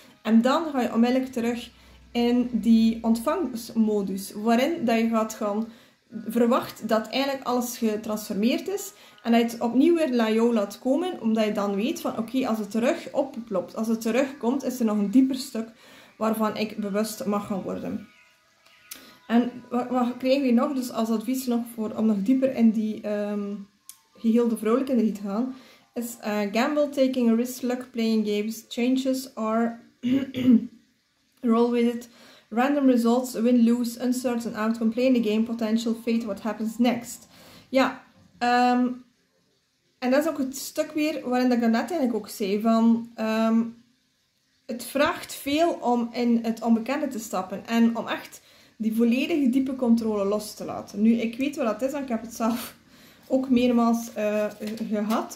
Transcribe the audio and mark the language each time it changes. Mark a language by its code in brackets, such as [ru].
[nl] En dan ga je onmiddellijk terug in die ontvangstmodus, waarin dat je gaat gaan verwacht dat eigenlijk alles getransformeerd is en dat je het opnieuw weer naar jou laat komen, omdat je dan weet van oké, als het terug opklopt, als het terugkomt, is er nog een dieper stuk waarvan ik bewust mag gaan worden. En wat krijgen we nog dus als advies nog voor om nog dieper in die geheelde vrouwelijke energie te gaan? [en] Is gamble, taking a risk, luck, playing games, changes are roll with it, random results, win, lose, uncertain outcome, play in the game, potential, fate, what happens next? [nl] Ja, en dat is ook het stuk weer waarin ik daarnet eigenlijk ook zei van het vraagt veel om in het onbekende te stappen en om echt die volledige diepe controle los te laten. Nu, ik weet wat dat is en ik heb het zelf ook meermaals gehad.